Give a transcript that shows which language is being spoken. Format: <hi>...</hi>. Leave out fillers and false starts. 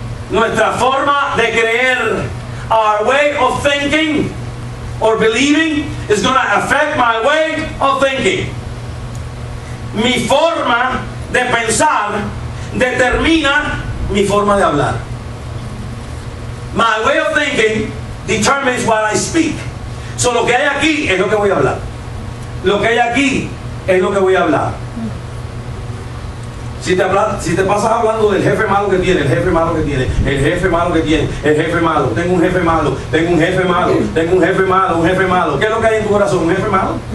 <es>Nuestra forma de creer,</es> <en>our way of thinking or believing, is going to affect my way of thinking.</en> <es>Mi forma de pensar determina mi forma de hablar.</es> <en>My way of thinking determines what I speak.</en> <es>So, lo que hay aquí es lo que voy a hablar. Lo que hay aquí es lo que voy a hablar. Si te pasas hablando del jefe malo que tiene, el jefe malo que tiene, el jefe malo que tiene, el jefe malo, tengo un jefe malo, tengo un jefe malo, tengo un jefe malo, un jefe malo. ¿Qué es lo que hay en tu corazón? ¿Un jefe malo?</es>